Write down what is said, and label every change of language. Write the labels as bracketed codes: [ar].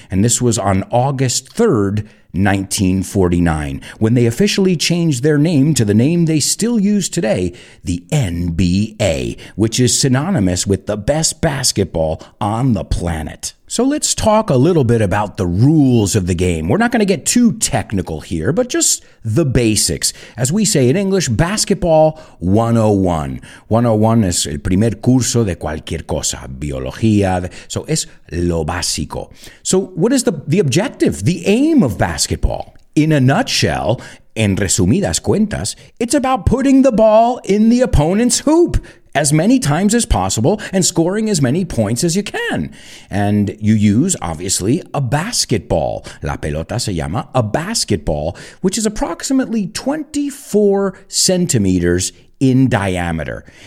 [en] And this was on August 3rd, 1949, when they officially changed their name to the name they still use today, the NBA, which is synonymous with the best basketball on the planet. So let's talk a little bit about the rules of the game. We're not going to get too technical here, but just the basics. As we say in English, basketball 101. [es] 101 es el primer curso de cualquier cosa, biología. So es lo básico. [en] So what is the objective, the aim of basketball? In a nutshell, [es] en resumidas cuentas, [en] it's about putting the ball in the opponent's hoop as many times as possible and scoring as many points as you can. And you use, obviously, a basketball. [es] La pelota se llama [en] a basketball, which is approximately 24 centimeters in diameter.